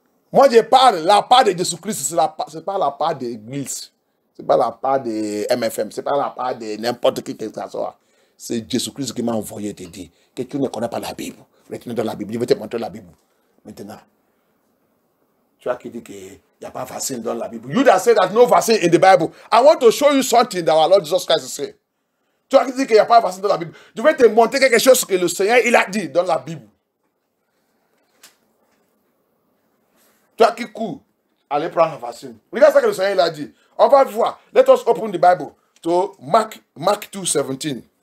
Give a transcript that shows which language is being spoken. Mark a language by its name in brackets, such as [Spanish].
[French] Moi, je parle, la part de Jésus Christ, c'est pas la part de l'église. C'est pas la part de MFM, c'est pas la part de n'importe qui que ça soit. C'est Jésus-Christ qui m'a envoyé te dire que tu ne connais pas la Bible. Retenez dans la Bible. Je vais te montrer la Bible. Maintenant, tu as qui dit qu'il n'y a pas de vaccin dans la Bible. [English] You that say that no vaccine in the Bible. I want to show you something that our Lord Jesus Christ said. [French] Tu as qui dit qu'il n'y a pas de vaccin dans la Bible. Je vais te montrer quelque chose que le Seigneur il a dit dans la Bible. Tu as qui court, allez prendre un vaccin. Regarde ce que le Seigneur il a dit. On va voir. [English] Let us open the Bible to Mark 2:17.